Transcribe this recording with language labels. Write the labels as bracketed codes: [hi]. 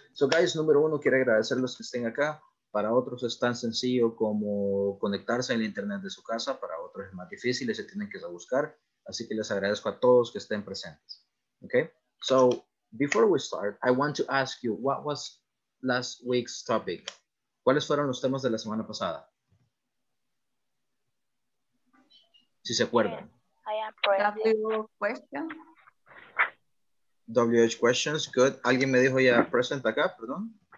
[en] So guys, [es] número uno, quiero agradecerles que estén acá. Para otros es tan sencillo como conectarse al internet de su casa, para otros es más difícil y se tienen que buscar. Así que les agradezco a todos que estén presentes. [en] Okay, so before we start, I want to ask you, what was last week's topic? [es] ¿Cuáles fueron los temas de la semana pasada? Si se acuerdan. [en] WH questions, good. [es] Alguien me dijo ya present acá, perdón.